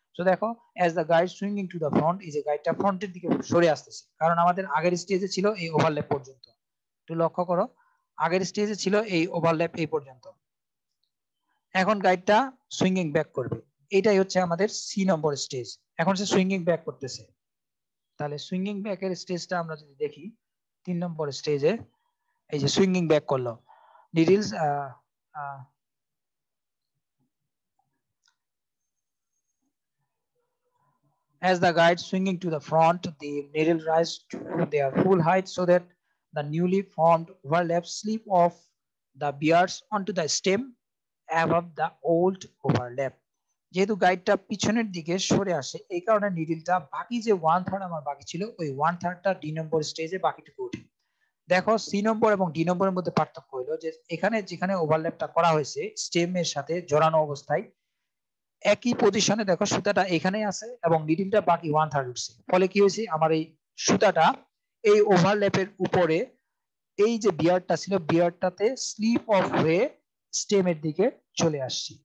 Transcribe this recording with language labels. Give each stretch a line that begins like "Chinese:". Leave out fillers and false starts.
Bangla: So দেখো
English: as the guide সুইংিং to the front,
Bangla: এই যে গাইডটা ফ্রন্টের দিকে সরে আসতেছে, কারণ আমাদের আগের স্টেজে ছিল এই ওভারল্যাপ পর্যন্ত, একটু লক্ষ্য করো আগের স্টেজে ছিল এই ওভারল্যাপ এই পর্যন্ত, এখন গাইডটা সুইংিং ব্যাক করবে, এটাই হচ্ছে আমাদের সি নম্বর স্টেজ, এখন সে সুইংিং ব্যাক করতেছে। তাহলে সুইংিং ব্যাকের স্টেজটা আমরা যদি দেখি, তিন নম্বর স্টেজে এই যে সুইংিং ব্যাক করলো, needles
English: as the guide swinging to the front the needle rise to their full height so that the newly formed overlap slip off the bears onto the stem above the old overlap
Bangla: যেহেতু গাইডটা পিছনের দিকে সরে আসে, এই কারণে নিডিলটা বাকি যে one third আমার বাকি ছিল ওই ওয়ান থার্ডটা ডি নম্বর স্টেজে বাকিটুকু উঠে। দেখো সি নম্বর এবং ডি নম্বরের মধ্যে পার্থক্য হলো যে এখানে যেখানে ওভারল্যাপটা করা হয়েছে স্টেমের সাথে জড়ানো অবস্থায় একই পজিশনে, দেখো সুতাটা এখানে আছে এবং নিডিলটা বাকি ওয়ান থার্ড উঠছে, ফলে কি হয়েছে আমার এই সুতাটা এই ওভারল্যাপের উপরে এই যে বিয়ারটা ছিল বিয়ারটাতে স্লিপ অফ হয়ে স্টেমের দিকে চলে আসছি।